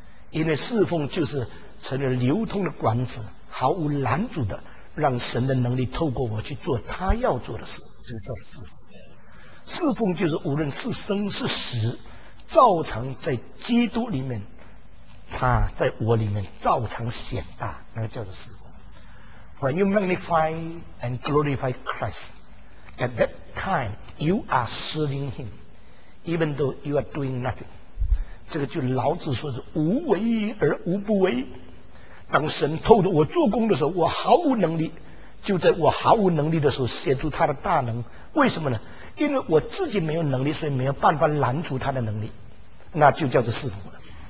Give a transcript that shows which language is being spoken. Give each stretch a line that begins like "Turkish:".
Chinese: 因为侍奉就是成了流通的管子，毫无拦阻的让神的能力透过我去做他要做的事，就是做了侍奉。侍奉就是无论是生是死，照常在基督里面，他在我里面照常显大，那个叫做侍奉。
English: When you magnify and glorify Christ, at that time you are serving him even though you are doing nothing。
Chinese: 这个就老子说的无为而无不为，当神透着我做工的时候，我毫无能力，就在我毫无能力的时候显出他的大能。为什么呢？因为我自己没有能力，所以没有办法拦阻他的能力，那就叫做侍奉了。